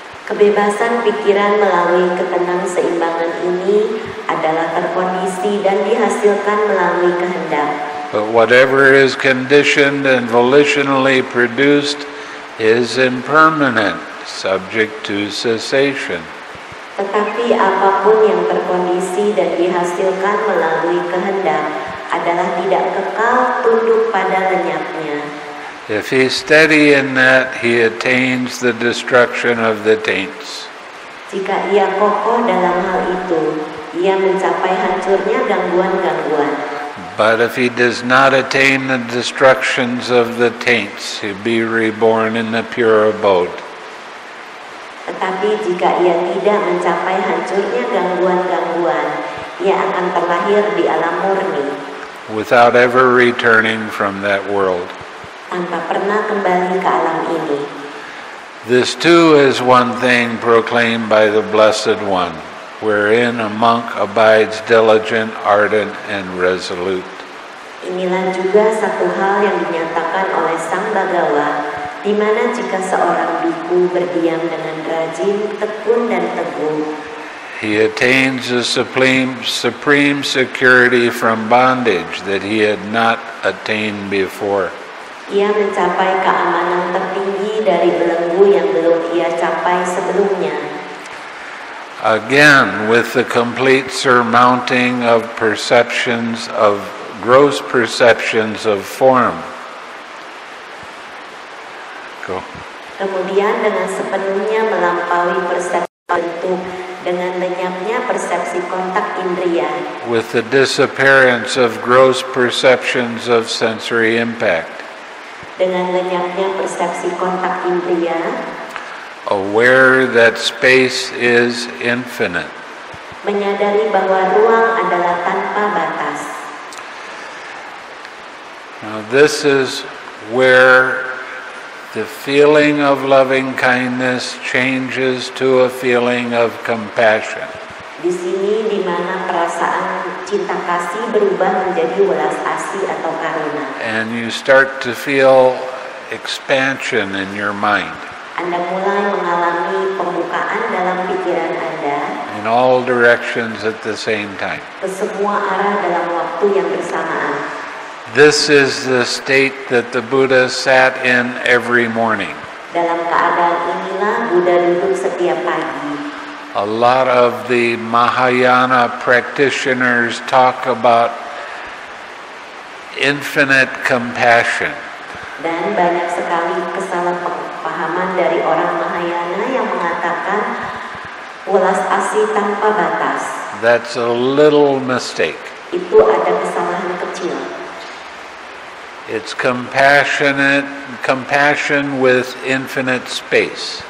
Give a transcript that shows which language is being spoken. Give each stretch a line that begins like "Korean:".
Indonesian: Kebebasan pikiran melalui ketenang seimbangan ini adalah terkondisi dan dihasilkan melalui kehendak.
English: But whatever is conditioned and volitionally produced is impermanent, subject to cessation.
Indonesian: Tetapi apapun yang terkondisi dan dihasilkan melalui kehendak adalah tidak kekal, tunduk pada lenyapnya.
English: If he is steady in that, he attains the destruction of the taints.
Indonesian: Jika ia kokoh dalam hal itu, ia mencapai hancurnya gangguan-gangguan.
English: But if he does not attain the destructions of the taints, he'll be reborn in the pure abode.
Indonesian: Tetapi jika ia tidak mencapai hancurnya gangguan-gangguan, ia akan terlahir di alam murni.
English: Without ever returning from that world.
Indonesian: Tanpa pernah kembali ke alam ini.
English: This too is one thing proclaimed by the Blessed One, wherein a monk abides diligent, ardent, and resolute.
Indonesian: Inilah juga satu hal yang dinyatakan oleh Sang Bhagawa, di mana jika seorang bhikkhu berdiam dengan rajin, tekun dan teguh,
English: he attains a supreme security from bondage that he had not attained before.
Indonesian: Ia mencapai keamanan tertinggi dari belenggu yang belum ia capai sebelumnya.
English: Again, with the complete surmounting of perceptions of gross perceptions of form. Go.
Indonesian: Kemudian dengan sepenuhnya melampaui persepsi bentuk, dengan lenyapnya persepsi kontak indria.
English: With the disappearance of gross perceptions of sensory impact.
Indonesian: Dengan lenyapnya persepsi kontak indria.
English: Aware that space is infinite.
Indonesian: Menyadari bahwa ruang adalah tanpa batas.
English: Now this is where the feeling of loving kindness changes to a feeling of compassion.
Indonesian: Di sini di mana perasaan cinta kasih berubah menjadi welas asih atau karuna.
English: And you start to feel expansion in your mind.
Indonesian: Anda mulai mengalami pembukaan dalam pikiran Anda.
English: In all directions at the same time.
Indonesian: Ke semua arah dalam waktu yang bersamaan.
English: This is the state that the Buddha sat in every morning.
Indonesian: Dalam keadaan inilah Buddha duduk setiap pagi.
English: A lot of the Mahayana practitioners talk about infinite compassion.
Indonesian: Dan banyak sekali kesalahpahaman dari orang Mahayana yang mengatakan welas asih tanpa batas.
English: That's a little mistake.
Indonesian: Itu ada kesalahan kecil.
English: It's compassion with infinite space.